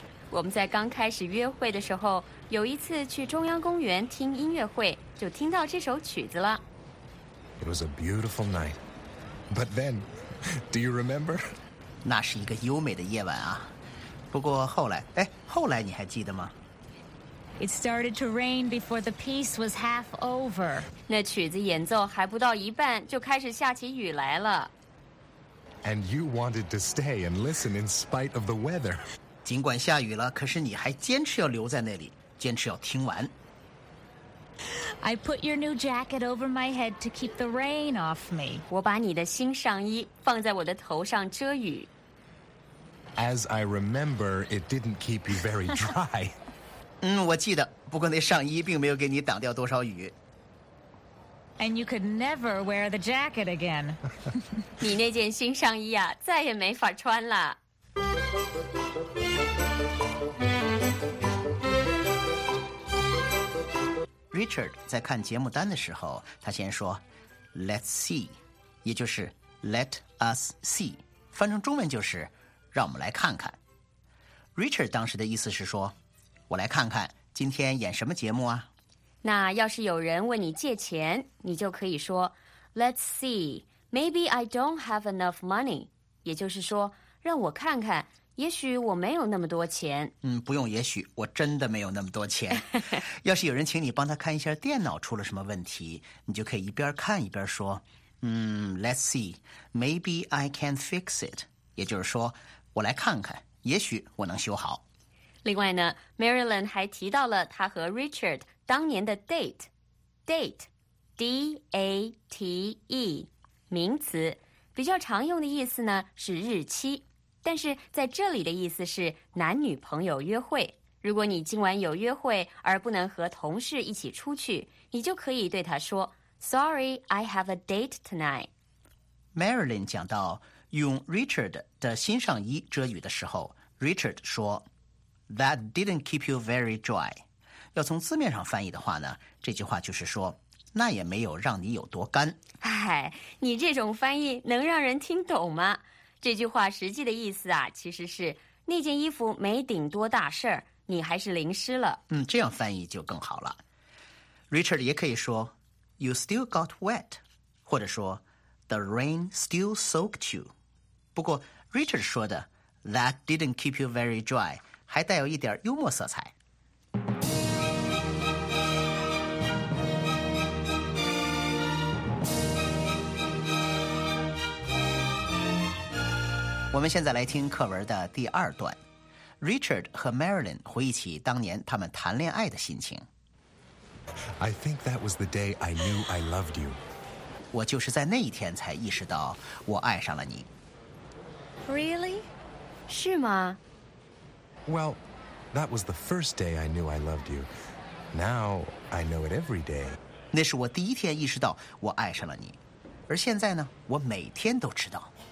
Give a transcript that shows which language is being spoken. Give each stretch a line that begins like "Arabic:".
Chinese: 我们在刚开始约会的时候，有一次去中央公园听音乐会，就听到这首曲子了。
English: It was a beautiful night, but then, do you remember?
Chinese: 那是一个优美的夜晚啊。不过后来，哎，后来你还记得吗？
English: It started to rain before the piece was half over.
Chinese: 那曲子演奏还不到一半就开始下起雨来了。
English: And you wanted to stay and listen in spite of the weather.
Chinese: 尽管下雨了，可是你还坚持要留在那里，坚持要听完。
English: I put your new jacket over my head to keep the rain off me.
Chinese: 我把你的新上衣放在我的头上遮雨。
English: As I remember, it didn't keep you very dry.
Chinese: 嗯，我记得，不过那上衣并没有给你挡掉多少雨。
English: And you could never wear the jacket again.
Chinese: 你那件新上衣啊，再也没法穿了。 Richard 在看节目单的时候，他先说
English: "Let's see"，
Chinese: 也就是
English: "Let us see"，
Chinese: 翻成中文就是"让我们来看看"。 Richard 当时的意思是说。我来看看今天演什么节目啊？那要是有人问你借钱，你就可以说
English: Let's see, maybe I don't have enough money.
Chinese: 也就是说，让我看看，也许我没有那么多钱。嗯，不用也许，我真的没有那么多钱。要是有人请你帮他看一下电脑出了什么问题，你就可以一边看一边说，嗯 ，
English: Let's see, maybe I can fix it.
Chinese: 也就是说，我来看看，也许我能修好。另外呢 ，Marilyn 还提到了她和 Richard 当年的 date，date，D-A-T-E， 名词，比较常用的意思呢是日期，但是在这里的意思是男女朋友约会。如果你今晚有约会而不能和同事一起出去，你就可以对他说 ，
English: Sorry, I have a date tonight。
Chinese: Marilyn 讲到用 Richard 的新上衣遮雨的时候 ，Richard 说。
English: That didn't keep you very dry.
Chinese: 要从字面上翻译的话呢，这句话就是说，那也没有让你有多干。哎，你这种翻译能让人听懂吗？这句话实际的意思啊，其实是那件衣服没顶多大事儿，你还是淋湿了。嗯，这样翻译就更好了。 Richard 也可以说 ，
English: You still got wet，
Chinese: 或者说 ，
English: The rain still soaked you。
Chinese: 不过
English: Richard 说的 That didn't keep you very dry。
Chinese: 还带有一点幽默色彩。我们现在来听课文的第二段。Richard 和 Marilyn 回忆起当年他们谈恋爱的心情。
English: I think that was the day I knew I loved you.
Chinese: 我就是在那一天才意识到我爱上了你。
English: Really?
Chinese: 是吗？
English: Well, that was the first day I knew I loved you. Now, I know it every day.
Chinese: 那是我第一天意识到我爱上了你。而现在呢，我每天都知道。